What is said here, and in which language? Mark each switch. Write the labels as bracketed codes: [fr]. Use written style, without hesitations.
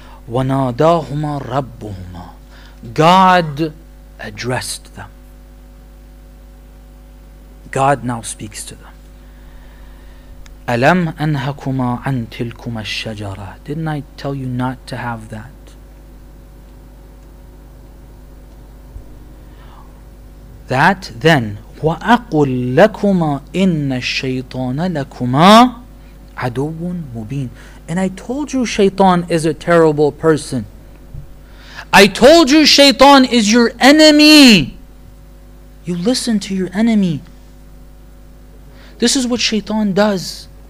[ar] وَنَادَاهُمَا رَبُّهُمَا. [en] God addressed them. God now speaks to them. [ar] أَلَمْ أَنْهَكُمَا عَنْ تِلْكُمَا الشَّجَرَةِ. [en] Didn't I tell you not to have that? That then, [ar] وَأَقُلْ لَكُمَا إِنَّ الشَّيْطَانَ لَكُمَا عَدُوٌ مُبِينٌ. [en] And I told you Shaytan is a terrible person. I told you Shaytan is your enemy. You listen to your enemy. This is what Shaytan does.